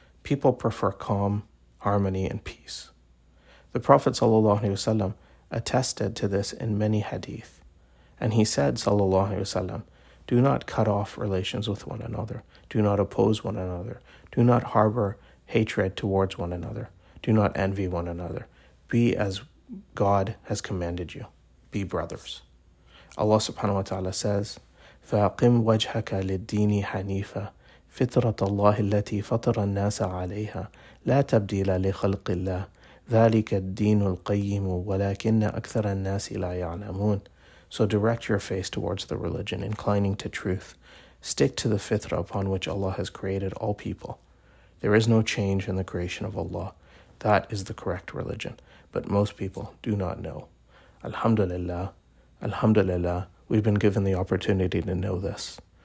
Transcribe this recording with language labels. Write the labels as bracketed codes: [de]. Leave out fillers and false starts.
[en] People prefer calm, harmony, and peace. The Prophet ﷺ attested to this in many hadith. And he said, ﷺ, do not cut off relations with one another. Do not oppose one another. Do not harbor hatred towards one another. Do not envy one another. Be as God has commanded you. Be brothers. Allah subhanahu wa ta'ala says, [ar] فَأَقِمْ وَجْهَكَ لِلدِّينِ حَنِيفًا فِطْرَةَ اللَّهِ الَّتِي فَطَرَ النَّاسَ عَلَيْهَا لَا تَبْدِيلَ لِخَلْقِ اللَّهِ ذَلِكَ الدِّينُ الْقَيِّمُ وَلَكِنَّ أَكْثَرَ النَّاسِ لَا يَعْلَمُونَ. [en] So direct your face towards the religion, inclining to truth. Stick to the fitra upon which Allah has created all people. There is no change in the creation of Allah. That is the correct religion. But most people do not know. Alhamdulillah, alhamdulillah, we've been given the opportunity to know this.